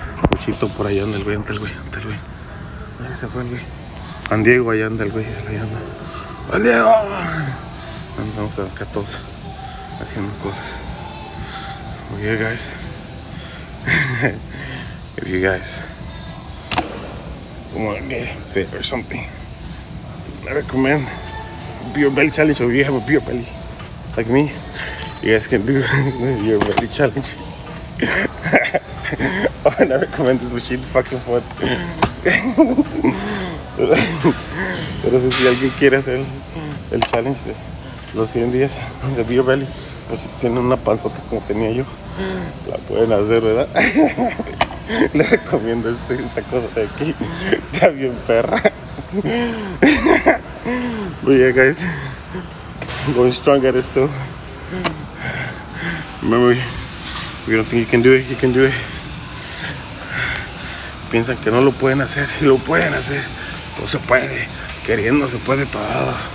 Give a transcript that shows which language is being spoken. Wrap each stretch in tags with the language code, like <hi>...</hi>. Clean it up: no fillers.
<es>Muchito por allá anda el güey. Ahí se fue el güey. San Diego, allá anda el güey. ¡San Diego! Andamos acá todos haciendo cosas.</es> <en>Oye, yeah, guys. If you guys want to get fit or something, I recommend Beer Belly Challenge. Or if you have a beer belly like me, you guys can do the Beer Belly Challenge. And I recommend this machine fucking foot.</en> <es>Pero si alguien quiere hacer el challenge de los 100 días de Beer Belly, pues si tiene una panzota como tenía yo, la pueden hacer, ¿verdad? Les recomiendo esta cosa de aquí. Está bien perra.</es> <en>But yeah, guys, going stronger still. Remember, if you don't think you can do it, you can do it.</en> <es>Piensan que no lo pueden hacer, y lo pueden hacer. Todo se puede, queriendo se puede todo.</es>